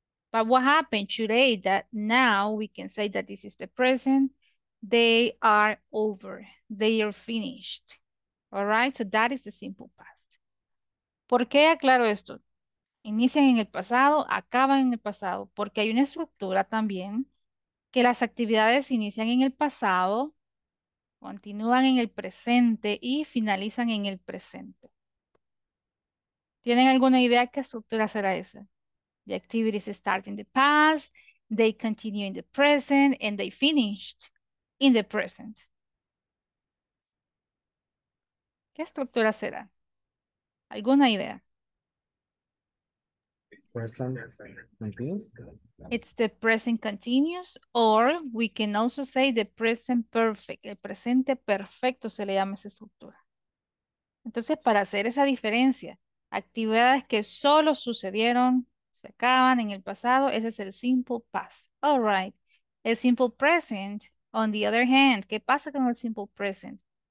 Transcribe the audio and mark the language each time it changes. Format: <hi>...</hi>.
<en>But what happened today that now we can say that this is the present, they are over, they are finished. All right, so that is the simple past.</en> <es>¿Por qué aclaro esto? Inician en el pasado, acaban en el pasado, porque hay una estructura también que las actividades inician en el pasado, continúan en el presente y finalizan en el presente. ¿Tienen alguna idea qué estructura será esa?</es> <en>The activities start in the past, they continue in the present, and they finished in the present.</en> <es>¿Qué estructura será? ¿Alguna idea?</es> <en>Present continuous. It's the present continuous, or we can also say the present perfect.</en> <es>El presente perfecto se le llama esa estructura. Entonces, para hacer esa diferencia, actividades que solo sucedieron, se acaban en el pasado, ese es el simple past.</es> <en>All right.</en> <es>El simple present,</es> <en>on the other hand,</en> <es>¿qué pasa con el simple present?</es>